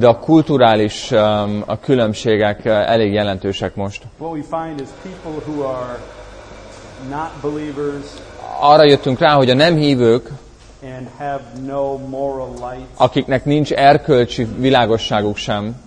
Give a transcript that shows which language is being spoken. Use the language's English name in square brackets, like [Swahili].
[Hungarian] De a kulturális a különbségek elég jelentősek most. [English] What we find is people who are not believers. [Hungarian] Arra jöttünk rá, hogy a nem hívők, [English] and have no moral light, [Hungarian] akiknek nincs erkölcsi világosságuk sem,